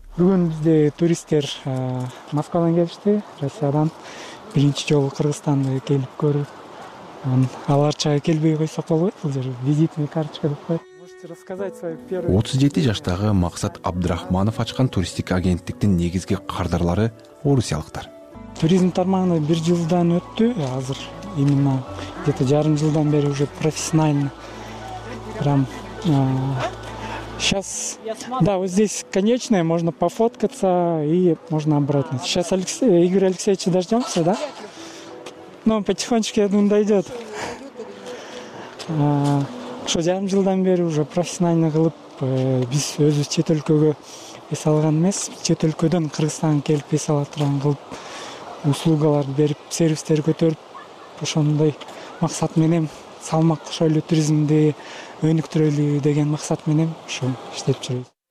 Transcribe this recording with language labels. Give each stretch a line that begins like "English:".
Kyrgyz: Бүгүн бизде туристтер Москвадан келишти, Россиядан. Биринчи жолу Кыргызстанды келип көрүп, аларча келбей койсок болбойт, бул жер визитный карточка деп коет. 37 жаштагы Максат Абдрахманов ачкан туристтик агенттиктин негизги кардарлары орусиялыктар. Туризм тармагына бир жылдан өттү, азыр
Russian: именно где то
Kyrgyz: жарым жылдан бери
Russian: уже профессионально прям сейчас да вот здесь конечная, можно пофоткаться и можно обратно. Сейчас Игорь Алексеевич дождемся, да? Ну, потихонечку, я думаю, дойдет.
Kyrgyz: Шо жарым жылдан бери
Russian: уже профессионально
Kyrgyz: кылып биз өзүбүз чет өлкөгө эс алган эмес, чет өлкөдөн Кыргызстанга келип эс ала турган кылып услугаларды берип, сервистер көтөрүп ошондой максат менен салмак кошойлу, туризмди өнүктүрөлү деген максат менен ушу иштеп жүрөбүз.